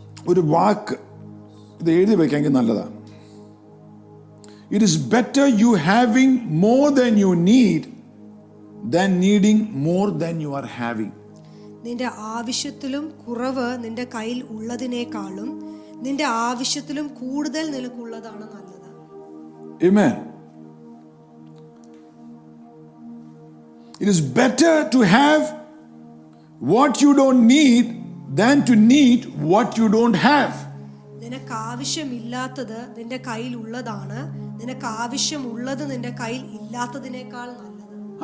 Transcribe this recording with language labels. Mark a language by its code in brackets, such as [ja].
[ml] ഒരു വാക്ക് ഇത് എഴുതി വയ്ക്കാമെങ്കിൽ നല്ലതാണ്. [en] It is better you having more than you need than needing more than you are having. [ml] നിന്റെ ആവശ്യത്തിലും കുറവ് നിന്റെ കയ്യിൽ ഉള്ളതിനേക്കാളും നിന്റെ ആവശ്യത്തിലും കൂടുതൽ നിനക്കുള്ളതാണ് നല്ലത്. [en] Amen. It is better to have what you don't need than to need what you don't have. [ml] നിനക്ക് ആവശ്യമില്ലാത്തത് നിന്റെ കയ്യിൽ ഉള്ളതാണ്, നിനക്ക് ആവശ്യമുള്ളത് നിന്റെ കയ്യിൽ ഇല്ലാത്തതിനേക്കാൾ നല്ലത്.